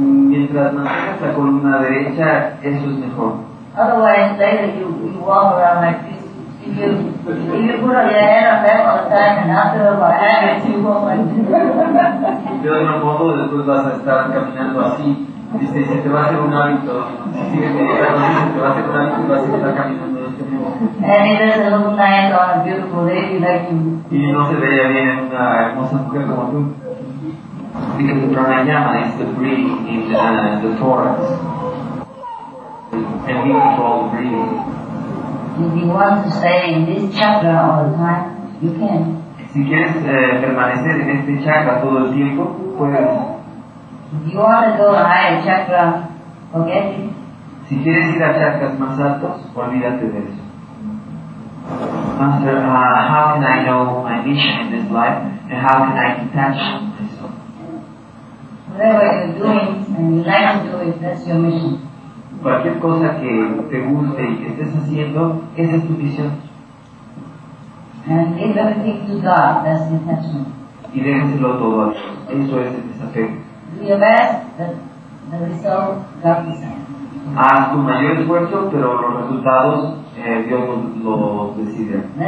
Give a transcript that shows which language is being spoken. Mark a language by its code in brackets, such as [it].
[es] Mientras mantengas la columna derecha, eso es mejor. [en] Otherwise, later you walk around like this. If you put your head on back all the time, and after a while, it's you walk like this. [es] De otro modo, después vas a estar caminando así. Dice, si te va a hacer un hábito, si sigues meditando, si te va a hacer un hábito, vas a estar caminando. [en] And if there's a little night on a beautiful lady like you. [es] Y no se veía bien en una hermosa mujer como tú. [en] Because the pranayama is the breathing in the torus. And we control the breathing. If you want to stay in this chakra all the time, you can. [es] Si quieres permanecer en este chakra todo el tiempo, puedes. [en] If you want to go higher chakra, forget it. [es] Si quieres ir a chakras más altos, olvídate de eso. [en] Master, how can I know my mission in this life, and how can I detach myself? Whatever you're doing and you like to do it, that's your mission. [es] Cualquier cosa que te guste y que estés haciendo, esa es tu misión. [en] And leave everything to God, that's the attachment. [es] Y déjenselo todo a Dios, eso es el desafío. [en] Do your best, the result, God decides. [es] Haz tu mayor esfuerzo, pero los resultados Dios lo decide.